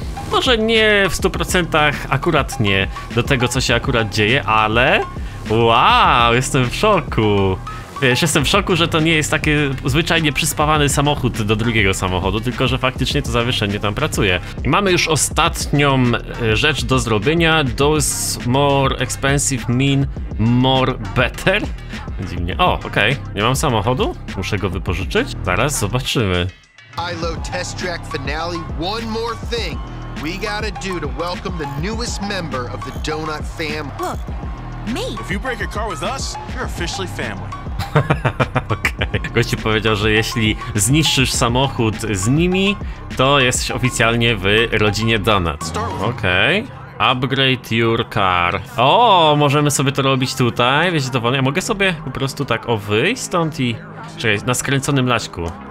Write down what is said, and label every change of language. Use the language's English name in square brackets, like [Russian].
[Polish] Może nie w 100% akurat nie do tego, co się akurat dzieje, ale wow, jestem w szoku. Wiesz, jestem w szoku, że to nie jest taki zwyczajnie przyspawany samochód do drugiego samochodu, tylko że faktycznie to zawieszenie tam pracuje. I mamy już ostatnią rzecz do zrobienia. [English] Those more expensive mean more better. [Polish] Dziwnie. O, okej. Okay. Nie mam samochodu? Muszę go wypożyczyć? Zaraz zobaczymy. [English] ILO test track finale. One more thing we gotta do to welcome the newest member of the Donut fam. Look, me. If you break your car with us, you're officially family. [Polish] Okej. Okay. Gościu powiedział, że jeśli zniszczysz samochód z nimi, to jesteś oficjalnie w rodzinie Donut. Okej. Okay. [English] Upgrade your car. [Polish] O, możemy sobie to robić tutaj. Wiecie, dowolnie. Ja mogę sobie po prostu tak o wyjść stąd i... Czekaj, na skręconym laśku.